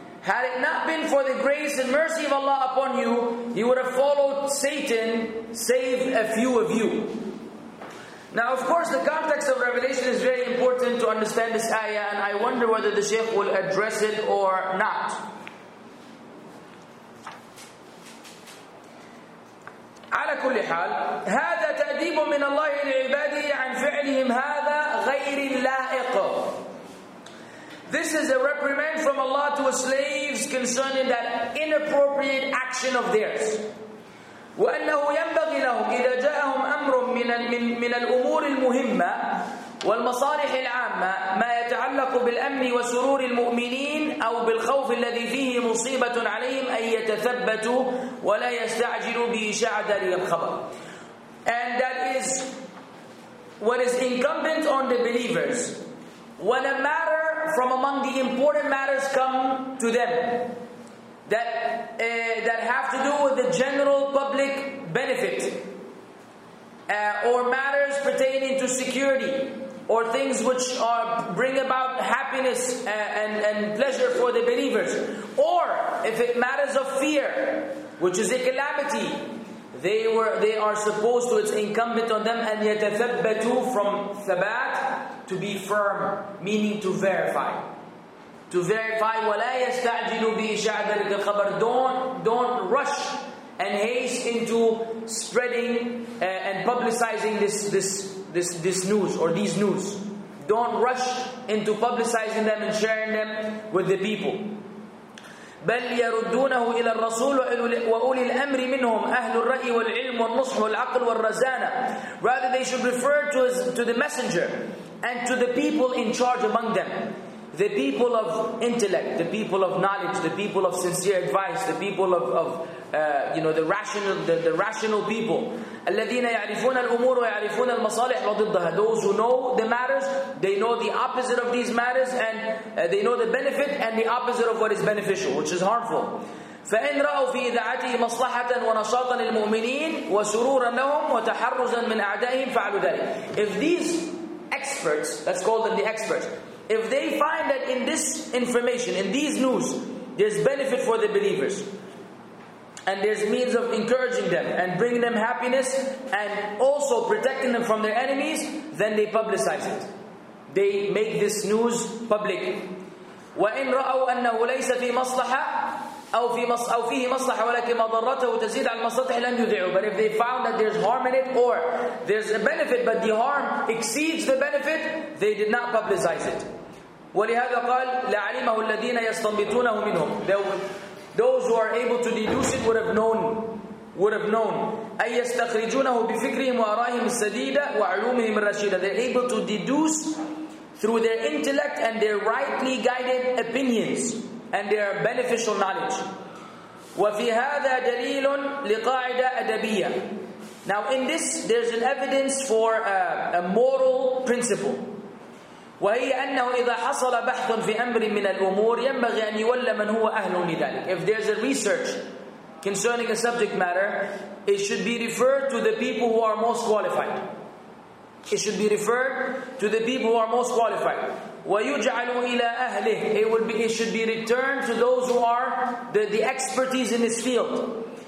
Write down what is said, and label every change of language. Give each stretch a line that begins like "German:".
English: Had it not been for the grace and mercy of Allah upon you, you would have followed Satan, save a few of you. Now, of course, the context of Revelation is very important to understand this ayah, and I wonder whether the Shaykh will address it or not.
Arabic: على كل حال هذا تأديب من الله لعباده عن فعلهم هذا غير لائق.
English: This is a reprimand from Allah to his slaves concerning that inappropriate action of theirs.
Arabic: وأنه ينبغي لهم إذا جاءهم أمر من الأمور المهمة والمصالح العامة ما يتعلق بالأمن وسرور المؤمنين أو بالخوف الذي فيه مصيبة عليهم أن يتثبتوا ولا يستعجلوا بإشاعة ذلك الخبر.
English: And that is what is incumbent on the believers when a matter from among the important matters come to them that have to do with the general public benefit or matters pertaining to security or things which are bring about happiness and pleasure for the believers. Or if it matters of fear, which is a calamity, they are supposed to, it's incumbent on them, and yatathabbatu from thabat, to be firm, meaning to verify. To verify,
Arabic: وَلَا يَسْتَعْجِلُوا بِإِشَاعَةَ الْخَبَرِ.
English: Don't rush and haste into spreading and publicizing this news or these news. Don't rush into publicizing them and sharing them with the people.
Arabic: بل يردونه إلى الرسول وأولي الأمر منهم أهل الرأي والعلم والنصح والعقل والرزانة.
English: Rather they should refer to the messenger and to the people in charge among them. The people of intellect, the people of knowledge, the people of sincere advice, the people of the rational people.
Arabic: الذين يعرفون الأمور ويعرفون المصالح ضدها.
English: Those who know the matters, they know the opposite of these matters, and they know the benefit and the opposite of what is beneficial, which is harmful.
Arabic: فإن رأوا في إذاعته مصلحة ونشاطا للمؤمنين وسرورا لهم وتحرزا من أعدائهم فعلوا ذلك.
English: If these experts, let's call them the experts, if they find that in this information, in these news, there's benefit for the believers, and there's means of encouraging them and bringing them happiness and also protecting them from their enemies, then they publicize it. They make this news public.
Arabic: وَإِنْ رَأَوْا أَنَّهُ لَيْسَ فِي مَصْلَحَةٍ أو فيه مصلحة ولكن مضرته تزيد على المصالح لن يدعوا.
English: But if they found that there's harm in it or there's a benefit but the harm exceeds the benefit, they did not publicize it.
Arabic: ولهذا قال لعلمه الذين يستنبطونه منهم.
English: Those who are able to deduce it would have known.
Arabic: أي يستخرجونه بفكرهم وآرائهم السديدة وعلومهم الرشيدة.
English: They're able to deduce through their intellect and their rightly guided opinions and their beneficial knowledge.
Arabic: وفي هذا دليل لقاعدة أدبية.
English: Now in this, there's an evidence for a moral principle.
Arabic: وهي أنه إذا حصل بحث في أمر من الأمور ينبغي أن يولى من هو أهل لذلك.
English: If there's a research concerning a subject matter, it should be referred to the people who are most qualified. It should be referred to the people who are most qualified.
Arabic: وَيُجْعَلُوا إِلَىٰ أَهْلِهِ.
English: It should be returned to those who are the expertise in this field.